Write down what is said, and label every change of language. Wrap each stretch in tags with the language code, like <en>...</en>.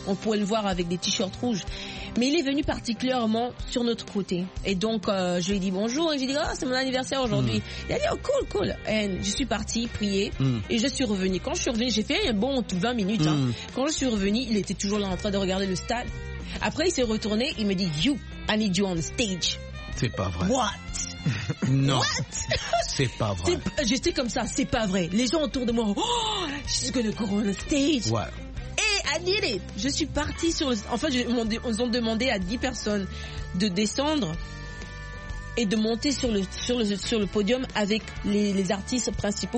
<fr>On pouvait le voir avec des t-shirts rouges. Mais il est venu particulièrement sur notre côté. Et donc, je lui ai dit bonjour. Et j'ai dit, oh, c'est mon anniversaire aujourd'hui. Il a dit, oh, cool, cool. Et je suis partie prier. Et je suis revenue. Quand je suis revenue, j'ai fait un bon 20 minutes. Quand je suis revenue, il était toujours là en train de regarder le stade. Après, il s'est retourné. Il me dit,</fr> <en>you, I need you on stage.</en> <fr>C'est pas vrai.</fr> <en>What?</en> <fr>Non.</fr> <en>What?</en> <fr>C'est pas vrai. J'étais comme ça, c'est pas vrai. Les gens autour de moi,</fr> <en>oh, she's gonna go on stage.</en> <fr>Ouais.</fr> <en>I did it.</en> <fr>Je suis partie sur le... En fait, ils ont demandé à 10 personnes de descendre et de monter sur le podium avec les artistes principaux.</fr>